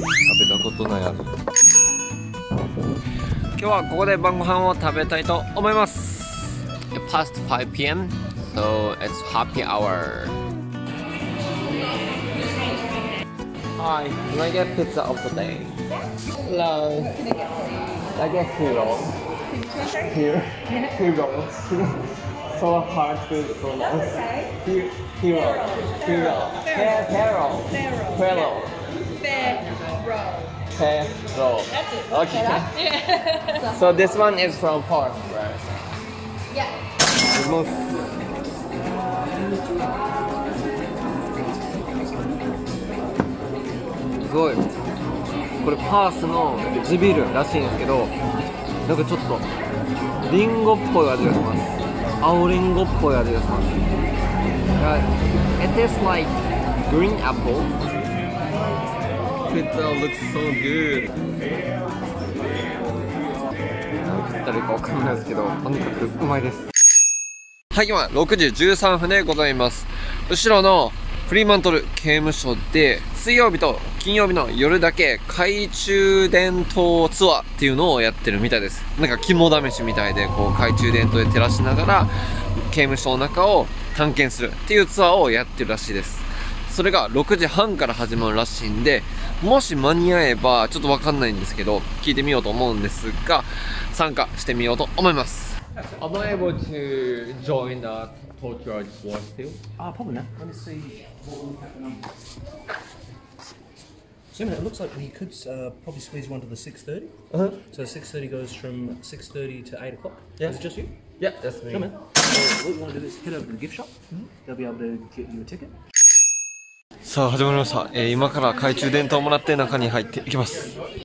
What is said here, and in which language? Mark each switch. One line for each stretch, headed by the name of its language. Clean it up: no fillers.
Japanese: 食べたことない味。今日はここで晩ご飯を食べたいと思います。
English: It's past 5 PM, so it's happy hour. Hi, can I get pizza of the day? Hello. Can I get two rolls? Two rolls. So hard food for us. That's okay. Two rolls. Two rolls. Pair rolls. Pair rolls. Pair rolls. Pair rolls. Pair rolls. That's it. Okay. Yeah. So this one is from pork, right? Yeah.
Japanese: すごい。これパースの地ビールらしいんですけど、なんかちょっとリンゴっぽい味がします。青リンゴっぽい味がします。
English: It tastes like green apple. Pizza looks so good.
Japanese: なんか誰か分かんないですけど、とにかくうまいです。はい、今6時13分でございます。後ろのフリーマントル刑務所で、水曜日と金曜日の夜だけ懐中電灯ツアーっていうのをやってるみたいです。なんか肝試しみたいで、こう懐中電灯で照らしながら刑務所の中を探検するっていうツアーをやってるらしいです。それが6時半から始まるらしいんで、もし間に合えばちょっとわかんないんですけど聞いてみようと思うんですが、参加してみようと思います。
English: Am I able to join the Tokyo Ice War still? Ah, probably not. Let me see what we have. It looks like we could probably squeeze one to the 6:30. So the 6:30 goes from 6:30 to 8 o'clock. Yeah. Is it just you? Yeah, that's me. Come on. What we want to do is head over to the gift shop. They'll be able to get you a ticket.
Japanese: さあ始まりました、今から懐中電灯をもらって中に入っていきます。